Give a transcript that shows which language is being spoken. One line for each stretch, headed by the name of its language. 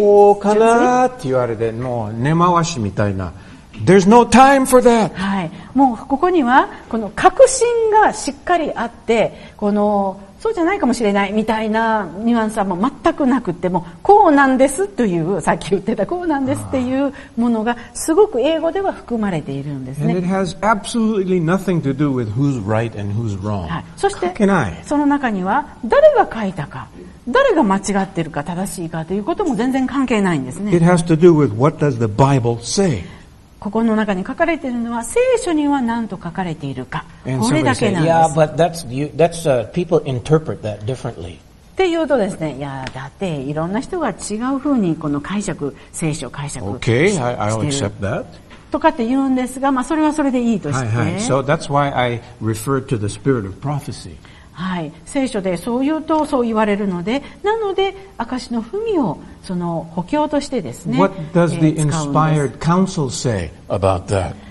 Japanese: こうかなって言われてもう根回しみたいな
English: There's no time for that、
Japanese: はい、もうここにはこの確信がしっかりあってこのそうじゃないかもしれないみたいなニュアンスはもう全くなくてもこうなんですというさっき言ってたこうなんですっていうものがすごく英語では含まれているんですね。
English: And it has absolutely nothing to do with who's right and who's wrong.
Japanese: はい。そしてその中には誰が書いたか誰が間違ってるか正しいかということも全然関係ないんですね。
English: It has to do with what does the Bible say.
Japanese: ここの中に書かれているのは聖書には何と書かれているかこれだけなんです。
English: Yeah, but that's people interpret that differently.
Japanese: っていうとですね、いやだっていろんな人が違うふうにこの解釈聖書解釈している。
English: Okay, I'll accept that.
Japanese: とかって言うんですが、まあそれはそれでいいとして。はい、はい、
English: so that's why I refer to the spirit of prophecy.
Japanese: はい、聖書でそう言うとそう言われるので、なので証の文をその補強としてですね。
English: What does the inspired counsel say about that?